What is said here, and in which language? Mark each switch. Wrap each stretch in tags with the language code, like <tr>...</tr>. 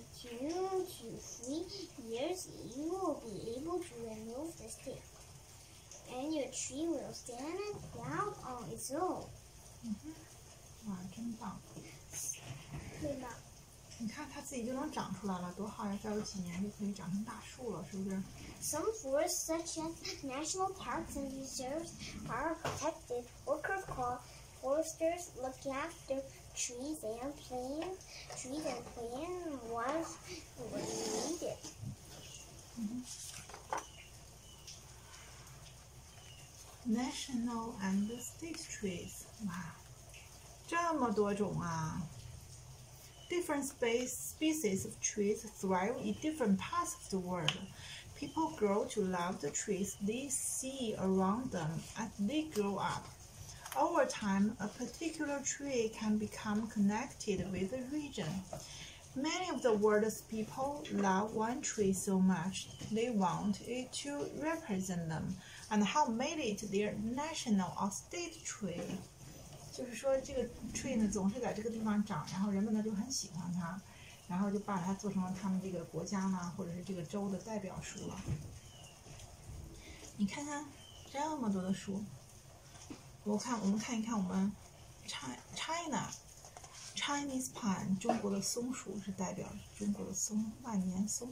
<en>In two to 3 years, you will be able to remove the stick, and your tree will stand proud on its own.</en> <zh>嗯哼，哇，真棒！对吧？你看它自己就能长出来了，多好呀！再有几年就可以长成大树了，是不是？</zh> <en>Some forests such as national parks and reserves are protected. Workers call foresters look after trees and plants once when needed.</en> <zh>嗯。</zh> <en>National and state trees. 哇，这么多种啊！ Different species of trees thrive in different parts of the world. People grow to love the trees they see around them as they grow up. Over time, a particular tree can become connected with a region. Many of the world's people love one tree so much they want it to represent them and have made it their national or state tree.</en> <zh>就是说这个 tree 呢总是在这个地方长，然后人们呢就很喜欢它，然后就把它做成了他们这个国家呢或者是这个州的代表树了。你看看这么多的树，我们看一看我们 China Chinese pine 中国的松树是代表中国的松，万年松。</zh>